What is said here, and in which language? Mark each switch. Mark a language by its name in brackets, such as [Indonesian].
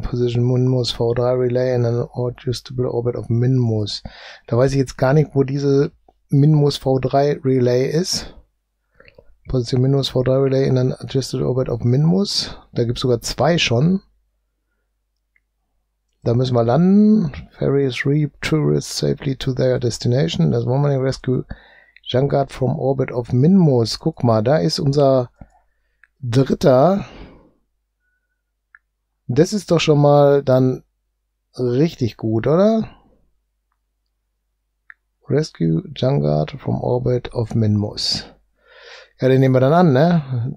[English] Position Minmus V3 Relay in an adjustable orbit of Minmus. [German] Da weiß ich jetzt gar nicht, wo diese Minmus V3 Relay ist. [English] Position Minmus V3 Relay in an adjusted orbit of Minmus. [German] Da gibt es sogar zwei schon. Da müssen wir landen. [English] Ferries reap tourists safely to their destination. [German] Das wollen wir nicht. [English] Rescue Junkard from orbit of Minmus. [German] Guck mal, da ist unser dritter. Das ist doch schon mal dann richtig gut, oder? [English] Rescue Junkard from orbit of Minmus. [German] Ja, den nehmen wir dann an, ne?